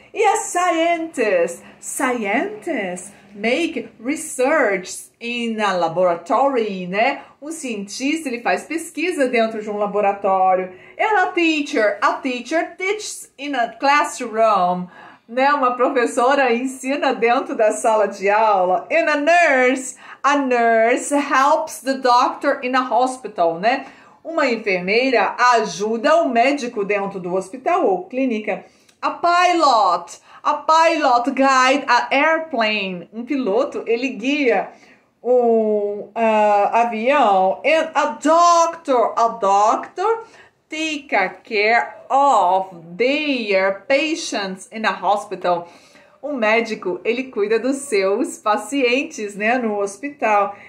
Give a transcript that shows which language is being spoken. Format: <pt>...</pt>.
<en>E a scientist make research in a laboratory, né?</en> <pt>Um cientista, ele faz pesquisa dentro de um laboratório.</pt> <en>Ela teacher, a teacher teaches in a classroom, né?</en> <pt>Uma professora ensina dentro da sala de aula.</pt> <en>And a nurse helps the doctor in a hospital, né?</en> <pt>Uma enfermeira ajuda o médico dentro do hospital ou clínica.</pt> <en>A pilot guide a airplane.</en> <pt>Um piloto, ele guia um avião.</pt> <en>And a doctor take care of their patients in a hospital.</en> <pt>Um médico, ele cuida dos seus pacientes, né, no hospital.</pt>